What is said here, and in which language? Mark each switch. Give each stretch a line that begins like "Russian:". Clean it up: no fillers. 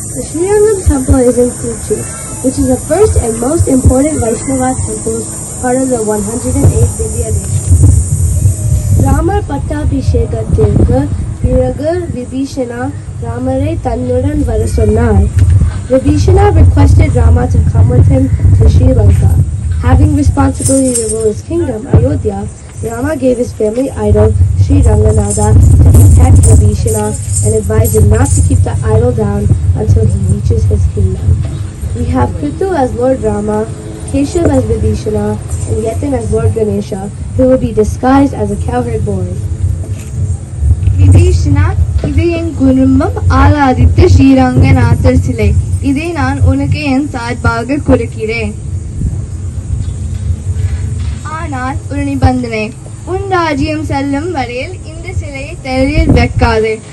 English: Srirangam temple is in Trichy, which is the first and most important Vaishnava temples part of the 108 Divya Desam.
Tamil: ராமர் பட்டாபிஷேகத்திற்கு பிறகு விபீஷணா ராமரை தன்னுடன் வர சொன்னார்.
English: Vibhishana requested Rama to come with him to Sri Lanka. Having responsibility to rule his kingdom Ayodhya, Rama gave his family idol, Sri Ranganatha, to protect Vibhishana and advised him not to keep the idol down until he reaches his kingdom. We have Krithu as Lord Rama, Keshav as Vibhishana, and Yetin as Lord Ganesha, who will be disguised as a cowherd boy.
Tamil: Vibhishana, இது என் குடும்பம் ஆராதித்த ஸ்ரீரங்கநாதர் சிலை. இதை நான் உனக்கு என் சார்பாக கொடுக்கிறேன். ஒரு நிபந்தனை, உன் ராஜ்யம் செல்லும் வரையில் இந்த சிலையை தெரியில் வைக்காதே.